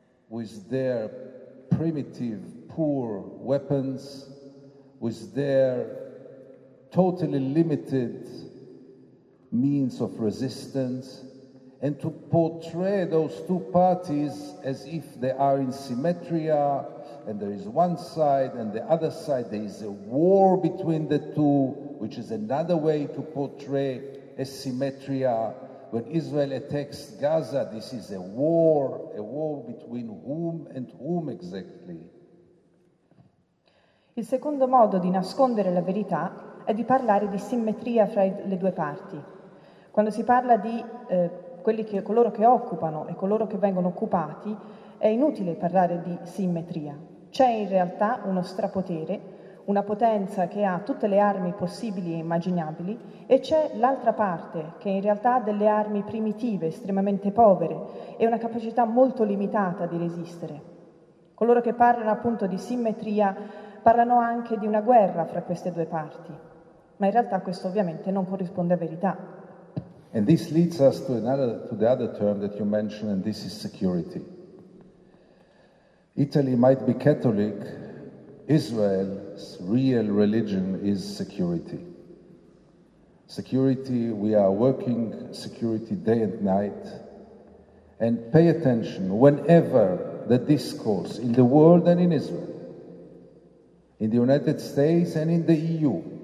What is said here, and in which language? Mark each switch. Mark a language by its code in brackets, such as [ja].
[en] with their primitive, poor weapons, with their totally limited means of resistance, and to portray those two parties as if they are in symmetria, and there is one side and the other side, there is a war between the two, which is another way to portray a symmetria. When Israel attacks Gaza, this is a war between whom and whom exactly? [it] Il secondo modo di nascondere la verità è di parlare di simmetria fra le due parti. Quando si parla di coloro che occupano e coloro che vengono occupati, è inutile parlare di simmetria. C'è in realtà uno strapotere, una potenza che ha tutte le armi possibili e immaginabili, e c'è l'altra parte, che in realtà ha delle armi primitive, estremamente povere, e una capacità molto limitata di resistere. Coloro che parlano appunto di simmetria parlano anche di una guerra fra queste due parti, ma in realtà questo ovviamente non corrisponde a verità. [en] And this leads us to another, to the other term that you mentioned, and this is security. Italy might be Catholic, Israel's real religion is security. Security, we are working security day and night, and pay attention whenever the discourse in the world and in Israel, in the United States and in the EU.